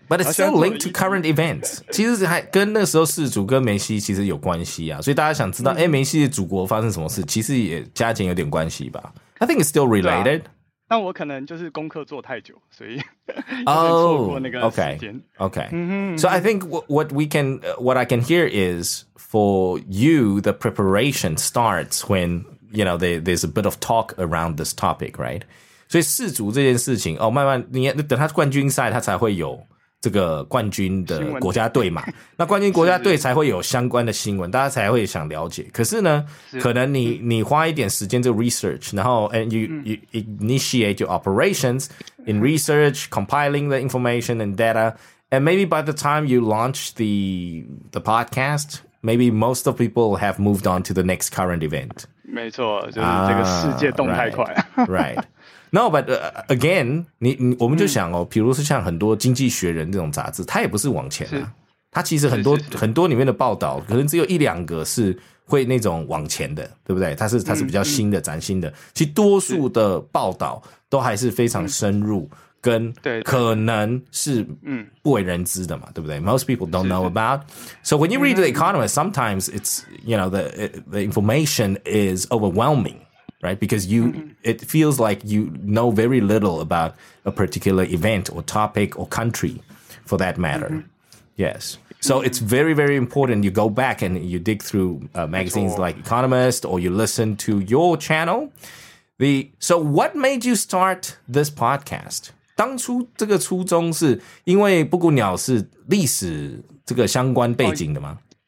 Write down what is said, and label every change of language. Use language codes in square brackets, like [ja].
[en] But it's still linked to current events. [zh] 其实还跟那时候世足跟梅西其实有关系啊，所以大家想知道，梅西的祖国发生什么事，其实也加减有点关系吧。 [en] I think it's still related. [zh] 那我可能就是功课做太久，所以错过那个时间。 [en] Okay. So I think what I can hear is for you, the preparation starts when you know there's a bit of talk around this topic, right? [zh] 所以世足这件事情，慢慢你等他冠军赛，他才会有这个冠军的国家队嘛。那冠军国家队才会有相关的新闻，大家才会想了解。可是呢，可能你花一点时间做 research， 然后 [en] and you initiate your operations in research, compiling the information and data, and maybe by the time you launch the podcast, maybe most of people have moved on to the next current event. [zh] 没错，就是这个世界动太快。 [en] Right. [zh] No, but again, 我们就想哦，比如说像很多《经济学人》这种杂志，它也不是往前啊，它其实很多里面的报道，可能只有一两个是会那种往前的，对不对？它是比较新的、崭新的。其实多数的报道都还是非常深入，跟可能是不为人知的嘛，对不对 ？ [en] Most people don't know about. So when you read The Economist, sometimes it's you know the information is overwhelming. Right, because it feels like you know very little about a particular event or topic or country, for that matter. Yes, so it's very, very important. You go back and you dig through magazines like Economist, or you listen to your channel. So what made you start this podcast? [zh] 当初这个初衷是因为布谷鸟是历史这个相关背景的吗？